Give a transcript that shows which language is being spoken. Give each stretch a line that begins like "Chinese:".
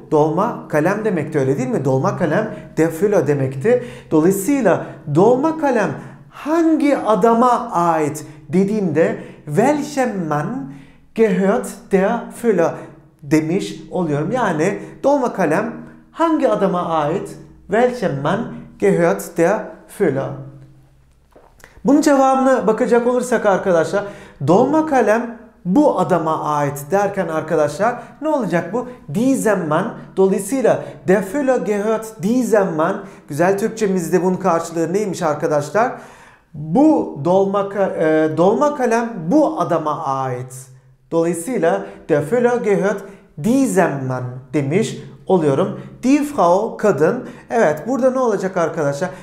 Turkish: Dolma kalem demekti, öyle değil mi? Dolma kalem der Füller demekti. Dolayısıyla dolma kalem hangi adama ait dediğimde
German: welchem Mann gehört der Füller
Turkish: demiş oluyorum. Yani dolma kalem hangi adama ait?
German: Welchem Mann gehört der Füller.
Turkish: Bunun cevabına bakacak olursak arkadaşlar dolma kalem bu adama ait derken arkadaşlar ne olacak bu?
German: Diesem Mann.
Turkish: Dolayısıyla
German: der Füller gehört diesem Mann.
Turkish: Güzel Türkçemizde bunun karşılığı neymiş arkadaşlar? Bu dolma kalem bu adama ait. Dolayısıyla
German: der Füller gehört diesem Mann
Turkish: demiş oluyorum.
German: Die Frau
Turkish: kadın. Evet, burada ne olacak arkadaşlar?